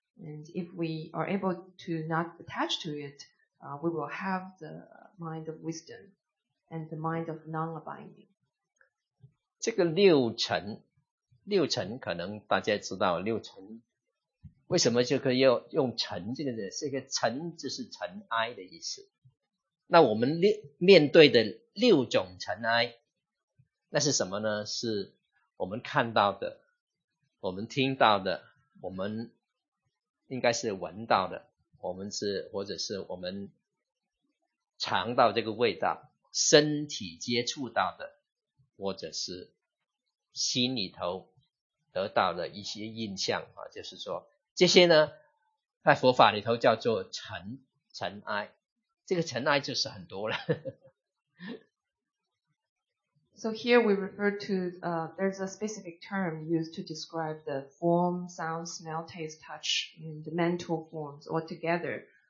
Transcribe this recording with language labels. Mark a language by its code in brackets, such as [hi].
[en] And if we are able to not attach to it, we will have the mind of wisdom and the mind of non-abiding. [zh] 这个六尘可能大家知道六尘为什么就可以用尘这个字？这个尘就是尘埃的意思。那我们面对的六种尘埃那是什么呢是我们看到的我们听到的，我们应该是闻到的，我们是或者是我们尝到这个味道，身体接触到的，或者是心里头得到的一些印象啊，就是说这些呢，在佛法里头叫做尘埃，这个尘埃就是很多了。 [en] So here we refer to, there's a specific term used to describe the form, sound, smell, taste, touch, and the mental forms all together.